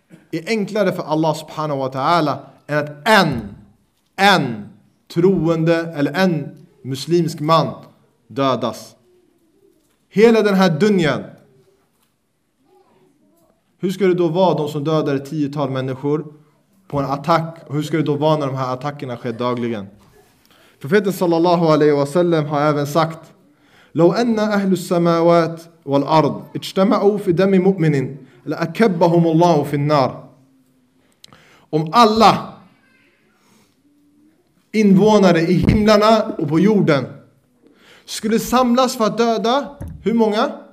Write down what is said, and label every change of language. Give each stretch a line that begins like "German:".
Swedish: Är enklare för Allah subhanahu wa ta'ala än att en troende eller en muslimsk man dödas. Hela den här dunjan. Hur ska det då vara de som dödar ett tiotal människor på en attack? Och hur ska det då vara när de här attackerna sker dagligen? Profeten sallallahu alaihi wa sallam har även sagt:
Arabic: لو أن أهل السماوات والأرض اجتمعوا في دم مؤمن لأكبهم الله في النار.
Swedish: Om alla invånare i himlarna och på jorden skulle samlas för att döda hur många?